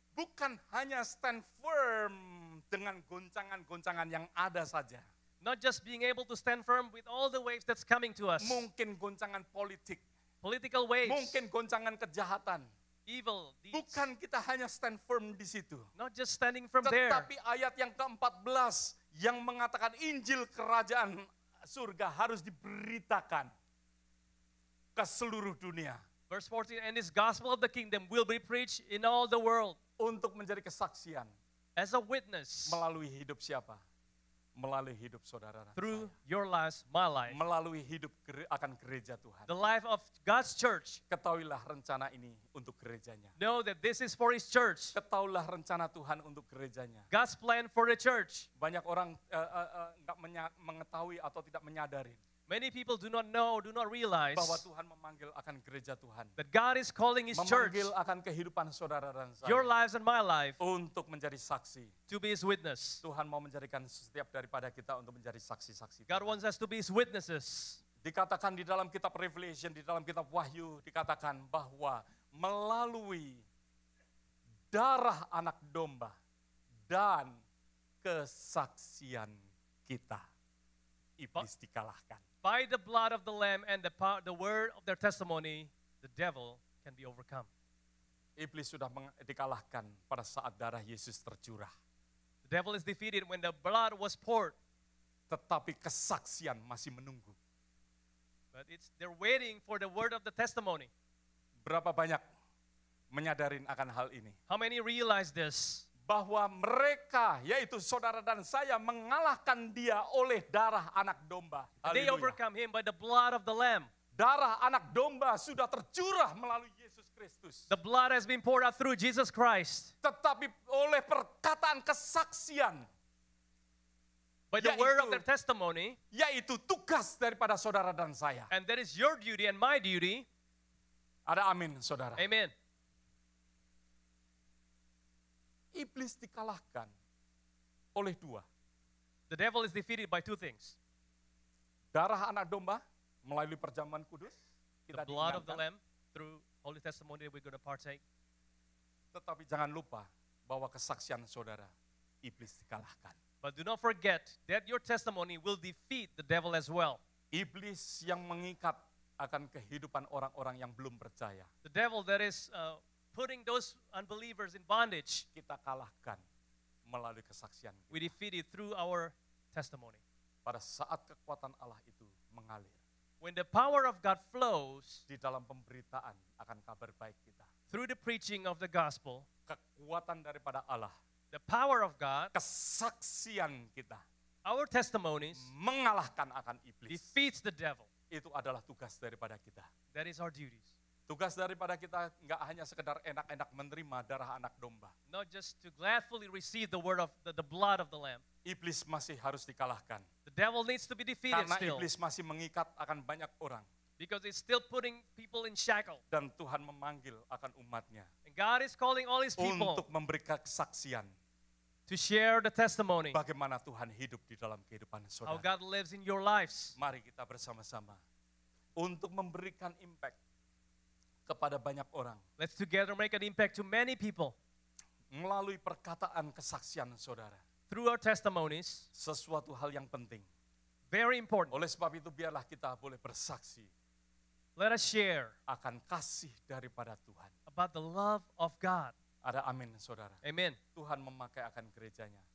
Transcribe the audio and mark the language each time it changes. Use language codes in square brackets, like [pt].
[id] Bukan hanya [en] stand firm [id] dengan goncangan-goncangan yang ada saja. [en] Not just being able to stand firm with all the waves that's coming to us. [id] Mungkin goncangan politik. [en] Political waves. [id] Mungkin goncangan kejahatan. [en] Evil deeds. [id] Bukan kita hanya [en] stand firm [id] di situ. [en] Not just standing firm there. [id] Tetapi ayat yang ke-14 yang mengatakan Injil kerajaan surga harus diberitakan ke seluruh dunia. [en] Verse 14, and this gospel of the kingdom will be preached in all the world. [id] Untuk menjadi kesaksian. [en] As a witness. [id] Melalui hidup siapa? Melalui hidup saudara. [en] Through your life, my life. [id] Melalui hidup akan gereja Tuhan. [en] The life of God's church. [id] Ketahuilah rencana ini untuk gerejanya. [en] Know that this is for his church. [id] Ketahuilah rencana Tuhan untuk gerejanya. [en] God's plan for the church. [id] Banyak orang enggak mengetahui atau tidak menyadari. [en] Many people do not know, do not realize. [id] Bahwa Tuhan memanggil akan gereja Tuhan. [en] That God is calling his church. [id] Memanggil akan kehidupan saudara dan saya. [en] Your lives and my life. [id] Untuk menjadi saksi. [en] To be his witness. [id] Tuhan mau menjadikan setiap daripada kita untuk menjadi saksi-saksi. [en] God wants us to be his witnesses. [id] Dikatakan di dalam kitab Revelation, di dalam kitab Wahyu, dikatakan bahwa melalui darah anak domba dan kesaksian kita, iblis dikalahkan. [en] By the blood of the lamb and the word of their testimony, the devil can be overcome. [id] Iblis sudah dikalahkan pada saat darah Yesus tercurah. [en] The devil is defeated when the blood was poured. [id] Tetapi kesaksian masih menunggu. [en] But they're waiting for the word of the testimony. [id] Berapa banyak menyadarin akan hal ini? [en] How many realize this? [id] Bahwa mereka, yaitu saudara dan saya, mengalahkan dia oleh darah anak domba. [en] They overcome him by the blood of the lamb. [id] Darah anak domba sudah tercurah melalui Yesus Kristus. [en] The blood has been poured out through Jesus Christ. [id] Tetapi oleh perkataan kesaksian. [en] By the word of their testimony. [id] Yaitu tugas daripada saudara dan saya. [en] And that is your duty and my duty. [id] Ada amin, saudara. [en] Amen. [id] Iblis dikalahkan oleh dua. [en] The devil is defeated by two things. [id] Darah anak domba melalui perjamuan kudus. [en] The blood of the lamb through holy testimony that we're going to partake. [id] Tetapi jangan lupa bahwa kesaksian saudara, iblis dikalahkan. [en] But do not forget that your testimony will defeat the devil as well. [id] Iblis yang mengikat akan kehidupan orang-orang yang belum percaya. [en] The devil that is putting those unbelievers in bondage. [id] Kita kalahkan melalui kesaksian. [en] We defeat it through our testimony. [id] Pada saat kekuatan Allah itu mengalir. [en] When the power of God flows. [id] Di dalam pemberitaan akan kabar baik kita. [en] Through the preaching of the gospel. [id] Kekuatan daripada Allah. [en] The power of God. [id] Kesaksian kita. [en] Our testimonies. [id] Mengalahkan akan iblis. [en] Defeats the devil. [id] Itu adalah tugas daripada kita. [en] That is our duties. [id] Tugas daripada kita enggak hanya sekedar enak-enak menerima darah anak domba. [en] Not just to gladly receive the word of the blood of the lamb. [id] Iblis masih harus dikalahkan. [en] The devil needs to be defeated still. [id] Karena iblis masih mengikat akan banyak orang. [en] Because he's still putting people in shackle. [id] Dan Tuhan memanggil akan umatnya. [en] And God is calling all his people. [id] Untuk memberikan kesaksian. [en] To share the testimony. [id] Bagaimana Tuhan hidup di dalam kehidupan saudara. [en] How God lives in your lives. [id] Mari kita bersama-sama untuk memberikan impact kepada banyak orang. [en] Let's together make an impact to many people. [id] Melalui perkataan kesaksian saudara. [en] Through our testimonies. [id] Sesuatu hal yang penting. [en] Very important. [id] Oleh sebab itu biarlah kita boleh bersaksi. [en] Let us share. [id] Akan kasih daripada Tuhan. [en] About the love of God. [id] Ada amin saudara. [en] Amen. [id] Tuhan memakai akan gerejanya.